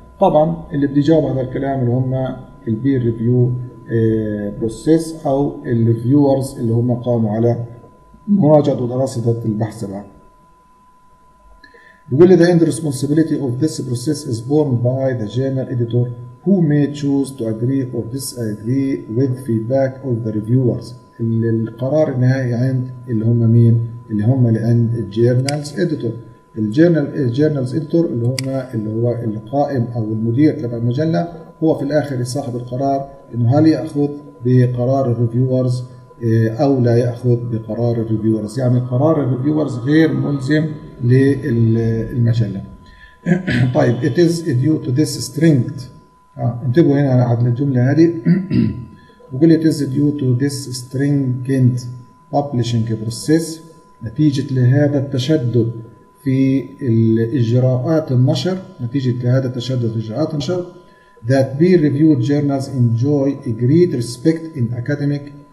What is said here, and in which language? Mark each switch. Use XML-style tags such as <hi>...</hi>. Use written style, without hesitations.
<ar>طبعا اللي بدي جاوب هذا الكلام اللي هم البير ريفيو بروسيس او الريفيورز اللي هم قاموا على مراجعه ودراسه البحث تبعه. بيقول لي</ar> <en>the end responsibility of this process is borne by the journal editor who may choose to agree or disagree with feedback of the reviewers.</en> <ar>القرار النهائي عند اللي هم مين؟ اللي هم اللي عند الجيرنالز اديتور. الجيرنالز اديتور اللي هم اللي هو القائم او المدير تبع المجله هو في الاخر صاحب القرار انه هل ياخذ بقرار الريفيورز او لا ياخذ بقرار الريفيورز. يعني قرار الريفيورز غير ملزم للمجله.</ar> <en>طيب it is due to this strength.</en> <ar>انتبهوا هنا على الجمله هذه.</ar> <en>بقول it is due to this stringent publishing process.</en> <ar>نتيجه لهذا التشدد في الاجراءات النشر، نتيجه لهذا التشدد في اجراءات النشر،</ar> <en>that peer reviewed journals enjoy a great respect in academic.</en>